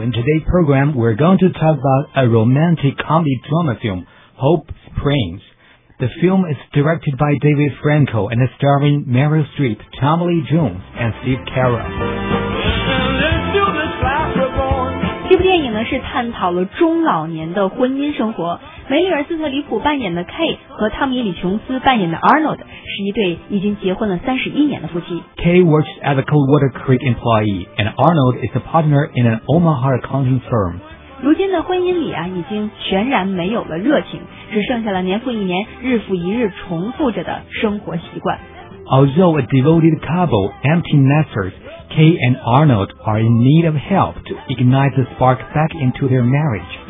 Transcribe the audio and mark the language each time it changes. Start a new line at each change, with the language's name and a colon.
English: In today's program, we're going to talk about a romantic comedy drama film, Hope Springs. The film is directed by David Franco and is starring Meryl Streep, Tommy Lee Jones, and Steve Carell.
Chinese: 这部电影呢是探讨了中老年的婚姻生活，梅丽尔·斯特里普扮演的 K 和汤米·李·琼斯扮演的 Arnold 是一对已经结婚了31年的夫妻。
English: K works as a Coldwater Creek employee and Arnold is a partner in an Omaha accounting firm。
Chinese: 如今的婚姻里啊已经全然没有了热情，只剩下了年复一年日复一日重复着的生活习惯。
English: Although a devoted couple, empty nesters,Kay and Arnold are in need of help to ignite the spark back into their marriage.